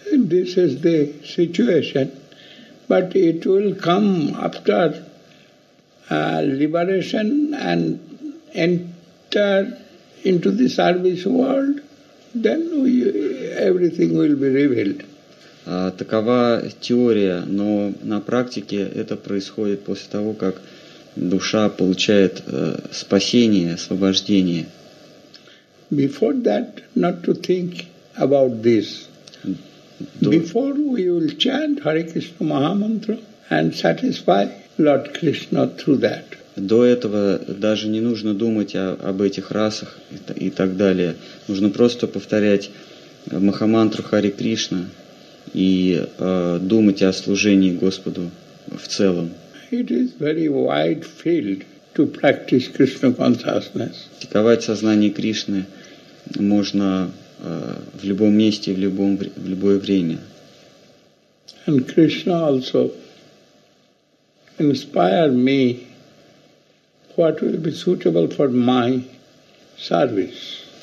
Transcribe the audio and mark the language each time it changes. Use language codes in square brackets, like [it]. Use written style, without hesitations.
[en] This is the situation, but it will come after liberation and enter into the service world, then everything will be revealed. [ru] Такова теория, но на практике это происходит после того, как душа получает спасение, освобождение. [en] Before that, not to think about this. Before we will chant Hare Krishna Mahamantra and satisfy Lord Krishna through that. [ru] До этого даже не нужно думать об этих расах и так далее. Нужно просто повторять Махамантру Хари Кришна и думать о служении Господу в целом. [en] It is very wide field to practice Krishna consciousness. [ru] Практиковать сознание Кришны можно в любом месте, в любое время. [en] And Krishna also inspired me what will be suitable for my service.